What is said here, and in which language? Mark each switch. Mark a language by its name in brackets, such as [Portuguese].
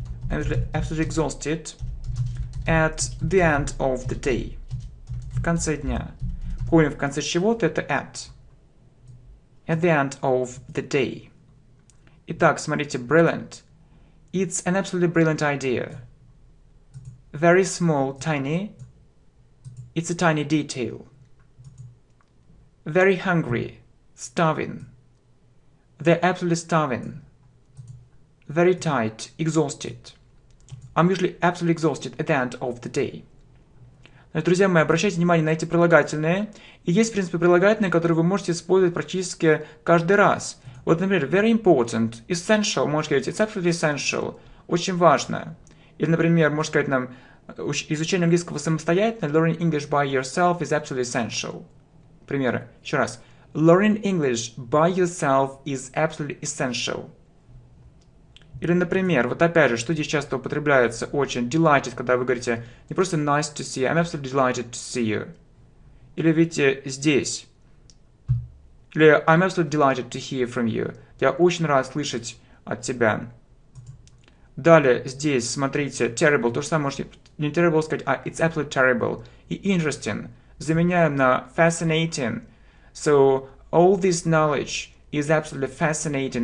[English] I'm usually absolutely exhausted at the end of the day. [Russian] В конце дня. Помним, в конце чего-то это at. [English] At the end of the day. [Russian] Итак, смотрите, [English] brilliant. It's an absolutely brilliant idea. Very small, tiny. It's a tiny detail. Very hungry, starving. They're absolutely starving. Very tight, exhausted. I'm usually absolutely exhausted at the end of the day. [Russian] Друзья мои, обращайте внимание на эти прилагательные. И есть, в принципе, прилагательные, которые вы можете использовать практически каждый раз. Вот, например, very important, essential, можно сказать, [English] it's absolutely essential, [Russian] очень важно. Или, например, можно сказать нам, изучение английского самостоятельно, [English] learning English by yourself is absolutely essential. [Russian] Пример, еще раз. [English] Learning English by yourself is absolutely essential. [Russian] Или, например, вот опять же, что здесь часто употребляется очень, delighted, когда вы говорите не просто [English] nice to see you, [Russian] I'm absolutely delighted to see you. Или, видите, здесь. [English] Или I'm absolutely delighted to hear from you. [Russian] Я очень рад слышать от тебя. Далее, здесь, смотрите, terrible, то же самое можно не terrible сказать, а [English] it's absolutely terrible. И interesting, [Russian] заменяем на [English] fascinating. So, all this knowledge is absolutely fascinating.